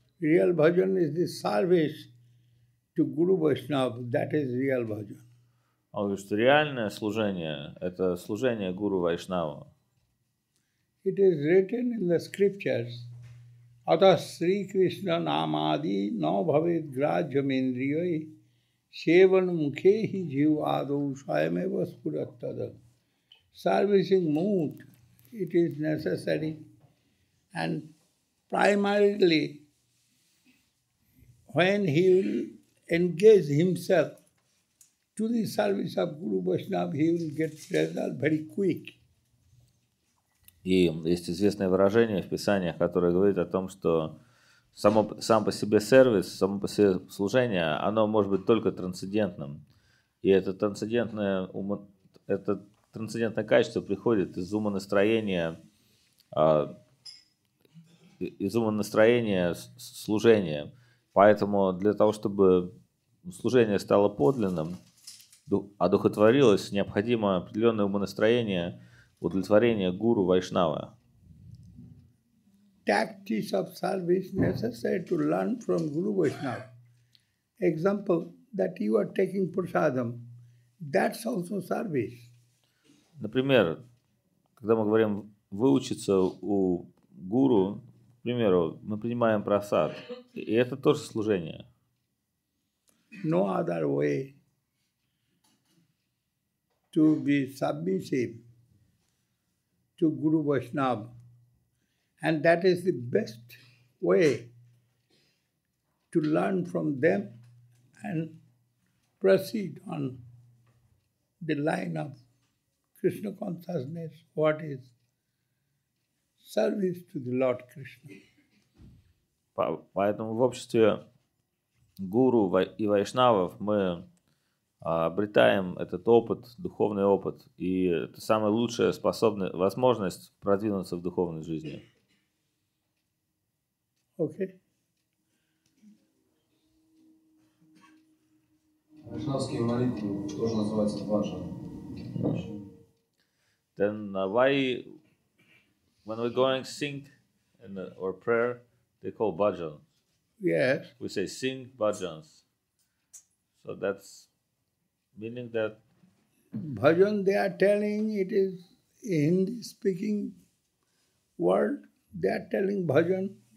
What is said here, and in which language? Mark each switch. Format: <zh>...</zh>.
<en>Real bhajan is the service to Guru Vaishnava. That is real bhajan.</en> <ru>Он говорит, что реальное служение – это служение Гуру Вайшнаву.</ru> <en>It is written in the scriptures.</en> <sa>Ata Sri Krishna Namadi na bhavet grajyam indriyai sevan mukhe hi jiv adau svayameva spurattada.</sa> <en>Servicing mood, it is necessary. And primarily, when he will engage himself to the service of Guru Vaishnava, he will get result very quick.</en> <ru>И есть известное выражение в писаниях, которое говорит о том, что сам по себе сервис, само по себе служение, оно может быть только трансцендентным. И это трансцендентное, это трансцендентное качество приходит из ума настроения, из ума настроения служения. Поэтому для того, чтобы служение стало подлинным, одухотворилось, необходимо определенное умонастроение, удовлетворение гуру Вайшнава.</ru> <en>Tactics of service necessary to learn from Guru Vaishnava. Example that you are taking prasadam, that's also service.</en> <ru>Например, когда мы говорим выучиться у гуру, к примеру, мы принимаем прасад, и это тоже служение.</ru> <en>No other way to be submissive to Guru Vaishnava, and that is the best way to learn from them and proceed on the line of Krishna consciousness, what is service to the Lord Krishna.</en> <ru>Поэтому в обществе гуру и вайшнавов мы обретаем этот опыт, духовный опыт, и это самая лучшая способность, возможность продвинуться в духовной жизни. Окей. Вайшнавские молитвы тоже называются бхаджан.</ru> <en>Then why, when we're going to sing in the, or prayer, they call bhajan. Yes. We say sing bhajans. So that's meaning that bhajan, they are telling it is Hindi-speaking world, they are telling bhajan.</en>